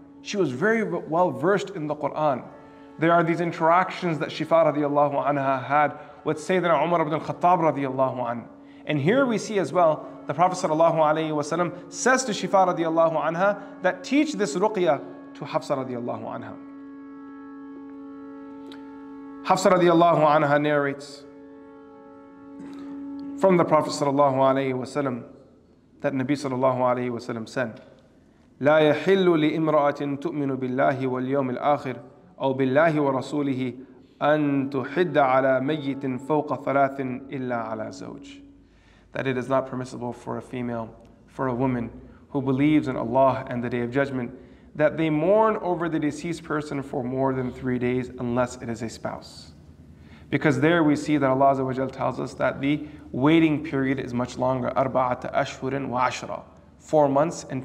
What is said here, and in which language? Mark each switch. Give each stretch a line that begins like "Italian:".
English: She was very well versed in the Quran. There are these interactions that Shifa radiallahu anha had with Sayyidina Umar ibn al-Khattab radiallahu anha. And here we see as well, the Prophet sallallahu alayhi wa sallam says to Shifa radiallahu anha that teach this ruqya to Hafsah radiallahu anha. Hafsah radiallahu anha narrates from the Prophet sallallahu alayhi wa sallam that Nabi sallallahu alayhi wa sallam said,
Arabic: لا يحل لامرأة تؤمن بالله واليوم الآخر أو بالله ورسوله أن تحد على ميت فوق ثلاث إلا على زوج.
English: That it is not permissible for a female, for a woman who believes in Allah and the Day of Judgment, that they mourn over the deceased person for more than 3 days unless it is a spouse. Because there we see that Allah tells us that the waiting period is much longer, 4 months and 10 days.